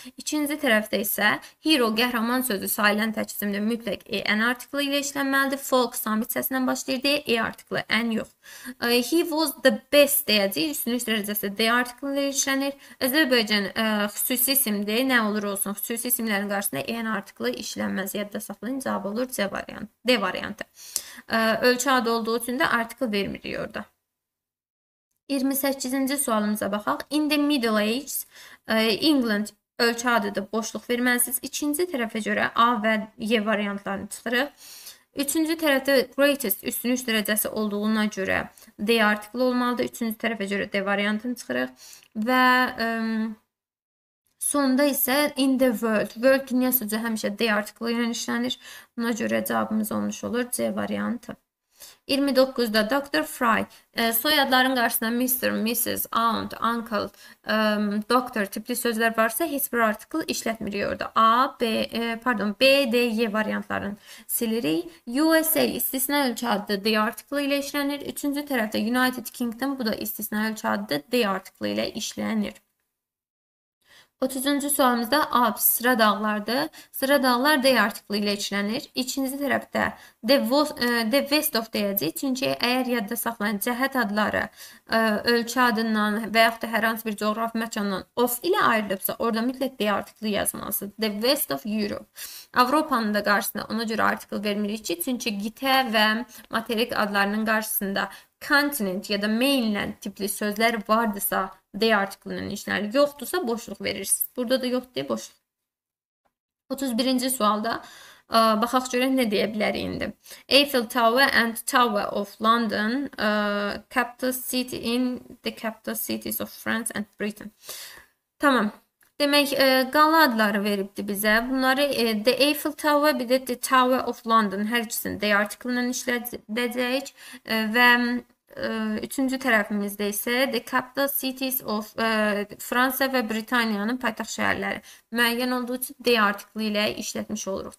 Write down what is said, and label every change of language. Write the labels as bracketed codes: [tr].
[az] İkinci tərəfdə isə hero, qəhrəman sözü sayılan təkcisimdə mütləq e, en artıqlı ilə işlənməlidir. Folk, samit səsindən başlayır deyə e artıqlı, en yox. He was the best deyəcək, üstünlük dərəcəsi D artıqlı ilə işlənir. Azərbaycan xüsusi isimdir, nə olur olsun, xüsusi isimlərin qarşısında en artıqlı işlənməz. Yadda saxlayın, cavab olur C variantı, D variantı. Ölçü adı olduğu üçün də artıqlı vermirik orada. 28-ci sualımıza baxaq. In the Middle Ages, England ölkə adıdır, boşluq verməlisiniz. İkinci tərəfə görə A və Y variantlarını çıxırıq. Üçüncü tərəfdə greatest üstün üç dərəcəsi olduğuna görə D artıqlı olmalıdır. Üçüncü tərəfə görə D variantını çıxırıq. Və sonda isə in the world. World dünya sözü həmişə D artıqlı ilə işlənir. Buna görə cavabımız olmuş olur C variantı. 29-da Dr. Fry, soyadların qarşısında Mr., Mrs., Aunt, Uncle, Doctor tipli sözlər varsa heç bir artıqlı işlətmirik orada. A, B, pardon, B, D, Y variantlarını silirik. USA istisna ölkə adı D artıqlı ilə işlənir. Üçüncü tərəfdə United Kingdom, bu da istisna ölkə adı D artıqlı ilə işlənir. 30-cu sualımızda A, sıra dağlardır. Sıra dağlar D artıqlı ilə işlənir. İkinci tərəfdə the west of deyəcək. Çünki əgər yadda saxlayın cəhət adları ölkə adından və yaxud da hər hansı bir coğrafi məkandan of ilə ayrılıbsa, orada mütləq D artıqlı yazmalısınız. The west of Europe. Avropanın da qarşısında ona görə artıqlı vermirik ki, çünki qitə və materik adlarının qarşısında continent ya da mainland tipli sözlər vardırsa, D artıqlının işləri yoxdursa boşluq verirsiniz. Burada da yox deyə boşluq. 31-ci sualda baxaq görək nə deyə bilərik indi. [en] Eiffel Tower and Tower of London, capital city in the capital cities of France and Britain. [az] Tamam. Demək, qala adları veribdi bizə. Bunları The Eiffel Tower, bir de The Tower of London. Hər ikisini D artıqlının işlədəcəyik. Və Üçüncü tərəfimizdə isə The Capital Cities of Fransa ve Britaniyanın paytaxt şəhərləri müəyyən olduğu üçün D artıqlı ilə işlətmiş oluruq.